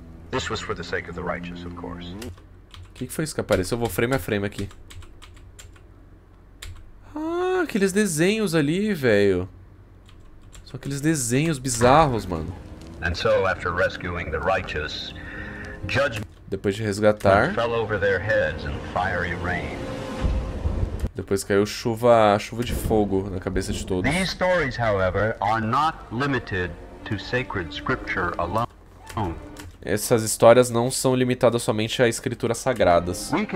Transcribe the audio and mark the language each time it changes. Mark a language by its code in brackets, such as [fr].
[en] This was for the sake of the righteous, of course. [pt] Que foi isso que apareceu? Eu vou frame a frame aqui. Ah, aqueles desenhos ali, velho. São aqueles desenhos bizarros, mano. [en] And so, after rescuing the righteous, [pt] depois de resgatar, [en] fell over their heads in fiery rain. [pt] Depois caiu chuva de fogo na cabeça de todos. [en] These stories, however, are not limited to sacred scripture alone. [pt] Essas histórias não são limitadas somente a escrituras sagradas.